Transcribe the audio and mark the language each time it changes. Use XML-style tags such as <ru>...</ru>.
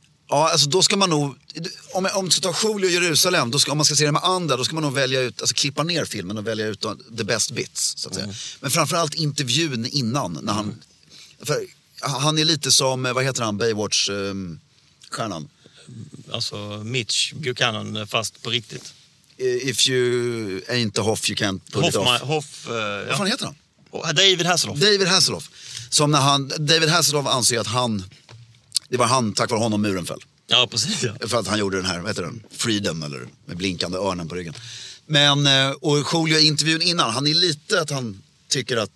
<sv>Ja, alltså då ska man nog, om du ska ta Julio i Jerusalem, om man ska se det med andra, då ska man nog välja ut, alltså klippa ner filmen och välja ut</sv> <en>the best bits,</en> <sv>så att säga. Men framförallt intervjun innan, när han, för han är lite som, vad heter han, Baywatch-stjärnan? Alltså Mitch Buchanan, fast på riktigt.</sv> <en>If you ain't a Hoff, you can't put Hoff, it off. Hoff,</en> <sv>vad fan heter han? David Hasselhoff. David Hasselhoff. Som när han, David Hasselhoff anser att han... Det var han, tack vare honom, muren föll. Ja, precis. Ja. För att han gjorde den här, vad heter den? Freedom, eller med blinkande örnen på ryggen. Men, och Julio i intervjun innan, han är lite att han tycker att...</sv>